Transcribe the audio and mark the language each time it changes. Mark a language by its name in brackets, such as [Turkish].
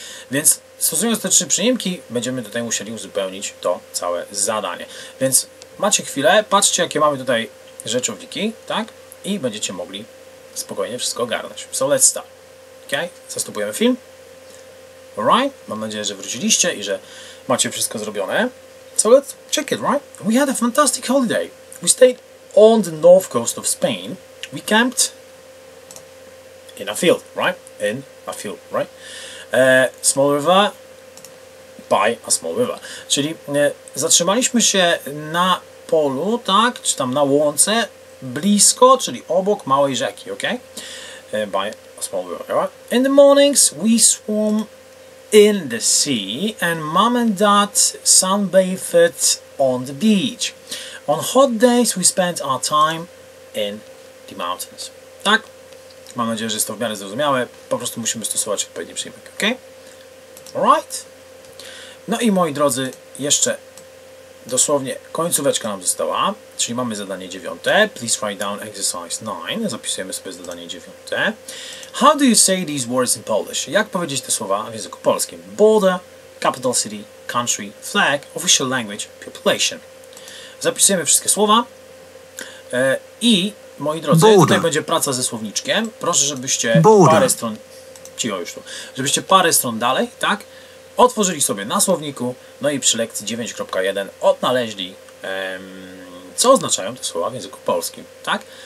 [Polish] Więc stosując te trzy przyimki, będziemy tutaj musieli uzupełnić to całe zadanie. Więc macie chwilę, patrzcie, jakie mamy tutaj rzeczowniki, tak? I będziecie mogli spokojnie wszystko ogarnąć. [English] So let's start. Ok? [Polish] Zastopujemy film. [English] Alright? [Polish] Mam nadzieję, że wróciliście i że macie wszystko zrobione. [English] So let's check it, right? We had a fantastic holiday. We stayed on the north coast of Spain. We camped in a field, right? In a field, right? Small river by a small river. [Polish] Czyli zatrzymaliśmy się na polu, tak, czy tam na łące, blisko, czyli obok małej rzeki, ok? [English] By a small river. In the mornings we swam in the sea and mom and dad sunbathed on the beach. On hot days we spent our time in the mountains. [Polish] Tak? Mam nadzieję, że jest to w miarę zrozumiałe. Po prostu musimy stosować odpowiedni przyjmek. Ok? Alright. No i moi drodzy, jeszcze dosłownie końcóweczka nam została, czyli mamy zadanie dziewiąte. [English] Please write down exercise 9. [Polish] Zapisujemy sobie zadanie dziewiąte. [English] How do you say these words in Polish? [Polish] Jak powiedzieć te słowa w języku polskim? Border, capital city, country, flag, official language, population. Zapisujemy wszystkie słowa. I moi drodzy, border. Tutaj będzie praca ze słowniczkiem. Proszę, żebyście border. Parę stron... Cicho już tu. Żebyście parę stron dalej, tak? Otworzyli sobie na słowniku, no i przy lekcji 9.1 odnaleźli, co oznaczają te słowa w języku polskim, tak?